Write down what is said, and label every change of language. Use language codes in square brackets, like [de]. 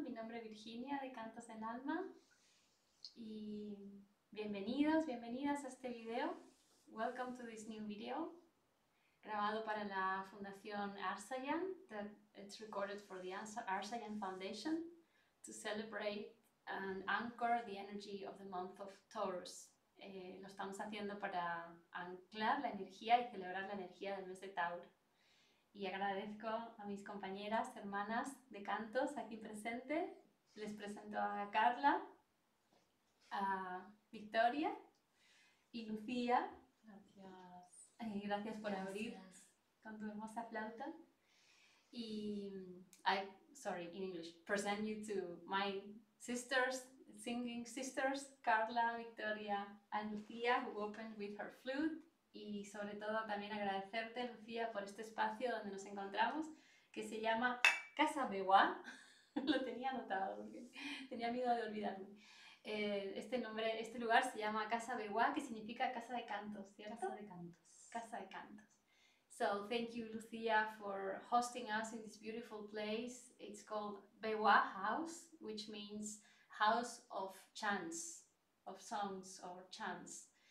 [es] Mi nombre es Virginia de Cantos del Alma. Y bienvenidos, bienvenidas a este video. [en] Welcome to this new video, [es] grabado para la Fundación Arsayan, [en] that it's recorded for the Arsayan Foundation to celebrate and anchor the energy of the month of Taurus. [es] Lo estamos haciendo para anclar la energía y celebrar la energía del mes de Tauro. Y agradezco a mis compañeras, hermanas de cantos aquí presente. Les presento a Carla, a Victoria y Lucía. Gracias. Gracias por abrir Gracias. con tu hermosa flauta. [en] Y, sorry, in English, present you to my sisters. Singing sisters, Carla, Victoria y Lucía, who opened with her flute. [es] Y sobre todo también agradecerte, Lucía, por este espacio donde nos encontramos, que se llama Casa Bewa. Lo tenía anotado porque tenía miedo de olvidarme. Este nombre, este lugar se llama Casa Bewa, que significa casa de cantos, Casa ¿cierto? de cantos. Casa de cantos. [en] So, thank you, Lucía, for hosting us in this beautiful place. It's called Bewa House, which means House of Chants, of Songs or Chants.